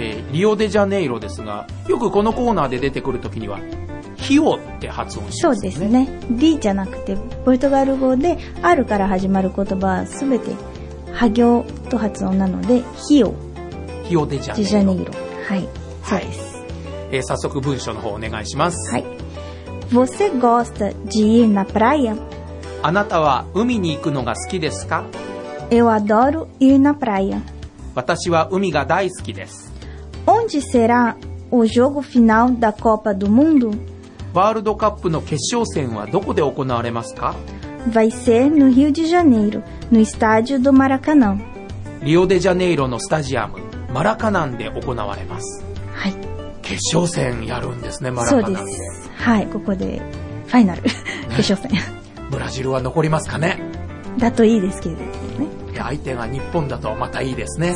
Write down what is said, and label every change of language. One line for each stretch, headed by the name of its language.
Japanese: リオデジャネイロですが、よくこのコーナーで出てくるときにはヒオって発音しますね。そうですね、 D じゃなくてポルトガル語で R から始まる言葉はすべてハ行と発音なのでヒオ、ヒオデジャネイ ロ, ジャネイロ、はい、そうです、はい。早速文章の方お願いします。
Portuguese: はい、 Você gosta de ir na praia?
Japanese: あなたは海に行くのが好きですか。
Portuguese: Eu adoro ir na praia。
Japanese: 私は海が大好きです。
Portuguese: Onde será o jogo final da Copa do Mundo?
Japanese: ワールドカップの決勝戦はどこで行われますか?
Portuguese: Vai ser no Rio de Janeiro, no estádio do Maracanã.
Japanese: リオデジャネイロのスタジアム、マラカナンで行われます。はい。決勝戦やるんですね、マラカナンで。そうです。はい、ここでファイナル、ね、決勝戦。ブラジルは残りますかね。だといいですけどね。相手が日本だとまたいいですね。